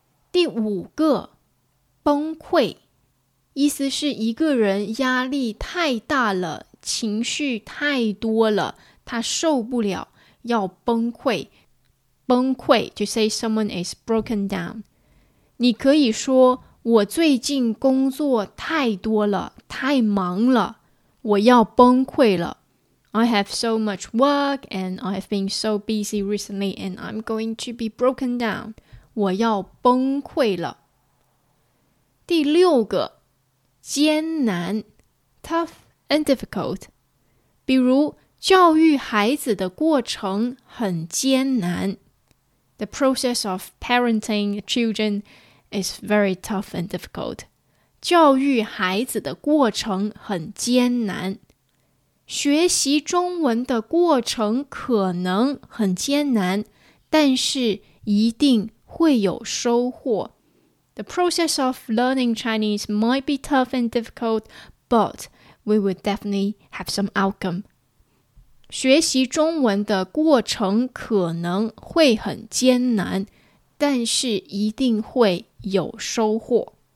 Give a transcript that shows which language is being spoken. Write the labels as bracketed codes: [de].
[zh] 第五个，崩溃，意思是一个人压力太大了，情绪太多了，他受不了，要崩溃。 [en] 崩溃 to say someone is broken down。 [zh] 你可以说我最近工作太多了，太忙了，我要崩溃了。 [en] I have so much work and I have been so busy recently and I'm going to be broken down。 [zh] 我要崩溃了。第六个，艰难， [en] tough and difficult。 [zh] 比如教育孩子的过程很艰难。 [en] The process of parenting children is very tough and difficult. [zh] 教育孩子的过程很艰难。学习中文的过程可能很艰难，但是一定会有收获。 [en] The process of learning Chinese might be tough and difficult, but we will definitely have some outcome. [zh] 学习中文的过程可能会很艰难，但是一定会有收获。